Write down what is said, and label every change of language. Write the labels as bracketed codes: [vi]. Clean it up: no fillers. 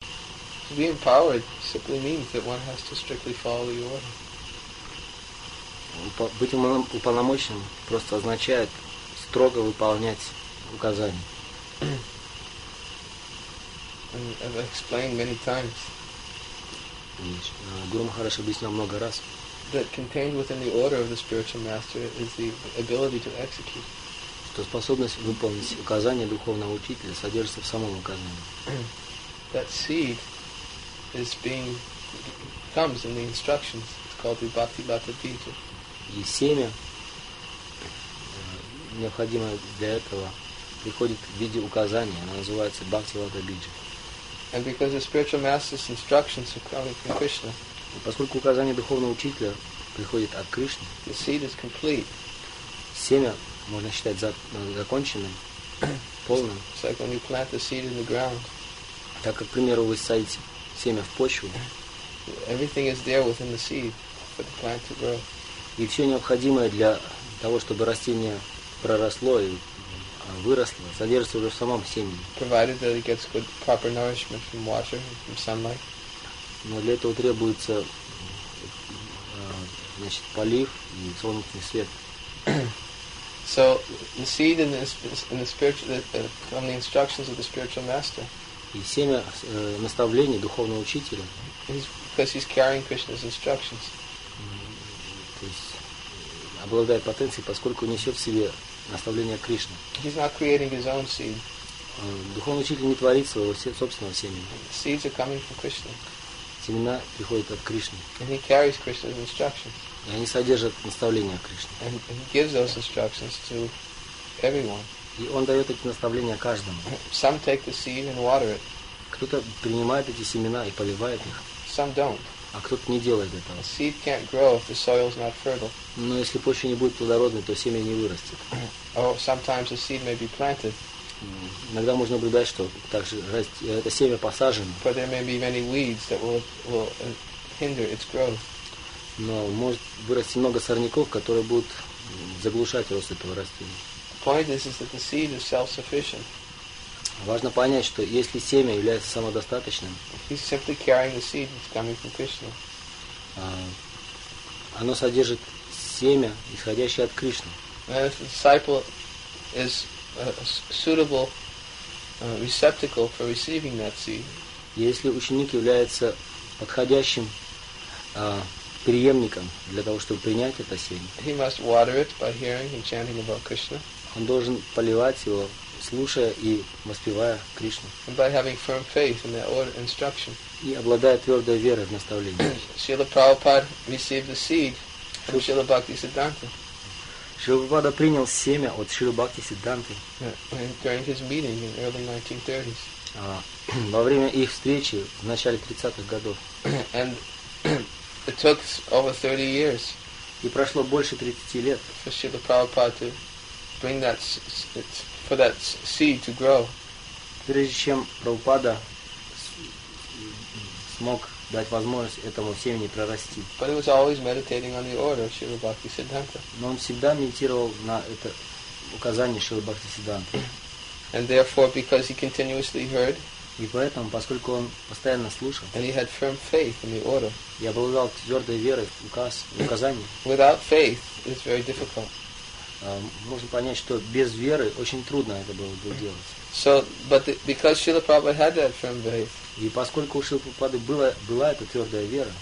[en] To be empowered simply means that one has to strictly follow the order. [ru] Быть уполномоченным просто означает строго выполнять указания. [en] And I've explained many times. [ru] Гуру Махарадж объяснял много раз. [en] That contained within the order of the spiritual master is the ability to execute. [ru] Что способность выполнить указания духовного учителя содержится в самом указании. [en] That seed is being comes in the instructions. It's called vibhakti bhatadita. [ru] И семя, необходимое для этого, приходит в виде указания, оно называется бхакти-вата-биджа. [en] And because the spiritual master's instructions are coming from Krishna, [ru] и поскольку указание духовного учителя приходит от Кришны, [en] the seed is complete. [ru] Семя можно считать законченным, полным. [en] It's like when you plant the seed in the ground. [ru] Так как, к примеру, вы садите семя в почву, [en] everything is there within the seed for the plant to grow. [ru] И все необходимое для того, чтобы растение проросло и выросло, содержится уже в самом семени. [en] Provided that it gets good proper nourishment from water, from sunlight. [ru] Но для этого требуется, значит, полив и солнечный свет. [en] So the seed in the spiritual, from the instructions of the spiritual master. [ru] И семя наставлений духовного учителя. [en] Because he's carrying Krishna's instructions. [ru] Обладает потенцией, поскольку несет в себе наставление Кришны. [en] He's not creating his own seed. [ru] Духовный учитель не творит своего собственного семени. [en] Seeds are coming from Krishna. [ru] Семена приходят от Кришны. [en] And he carries Krishna's instructions. [ru] И они содержат наставления Кришны. [en] And he gives those instructions to everyone. [ru] И он дает эти наставления каждому. [en] Some take the seed and water it. [ru] Кто-то принимает эти семена и поливает их. [en] Some don't. [ru] А кто-то не делает этого. [en] Seed can't grow if the soil is not fertile. [ru] Но если почва не будет плодородной, то семя не вырастет. [en] Or sometimes a seed may be planted. [ru] Иногда можно наблюдать, что также это семя посажено. [en] But there may be many weeds that will hinder its growth. [ru] Но может вырасти много сорняков, которые будут заглушать рост этого растения. [en] The point is that the seed is self-sufficient. [ru] Важно понять, что если семя является самодостаточным, [en] he's simply carrying the seed that's coming from Krishna. [ru] Оно содержит семя, исходящее от Кришны. [en] And if the disciple is a suitable receptacle for receiving that seed. [ru] Если ученик является подходящим преемником для того, чтобы принять это семя, [en] he must water it by hearing and chanting about Krishna. [ru] Он должен поливать его, слушая и воспевая Кришну. [en] And by having firm faith in that order, instruction. [ru] И обладая твердой верой в наставление. [en] Srila Prabhupada received the seed from Srila Bhaktisiddhanta. [ru] Srila Prabhupada принял семя от Srila Bhaktisiddhanta. [en] During his meeting in early 1930s. [ru] Во время их встречи в начале 30-х годов. [en] And it took over 30 years. [ru] И прошло больше 30 лет. [en] For Srila Prabhupada to bring that for that seed to grow. [ru] Прежде чем Прабхупада смог дать возможность этому семени прорасти. [en] But he was always meditating on the order of Srila Bhaktisiddhanta. [ru] Но он всегда медитировал на это указание Шрилы Бхактисиддханты. [en] And therefore, because he continuously heard. [ru] И поэтому, поскольку он постоянно слушал. [en] And he had firm faith in the order. [ru] И обладал твердой верой в указание. [en] Without faith, it's very difficult. [ru] Можно понять, что без веры очень трудно это было бы делать. [en] So, but because Srila Prabhupada had that firm faith. [ru] И поскольку у Шрилы Прабхупады была эта твердая вера,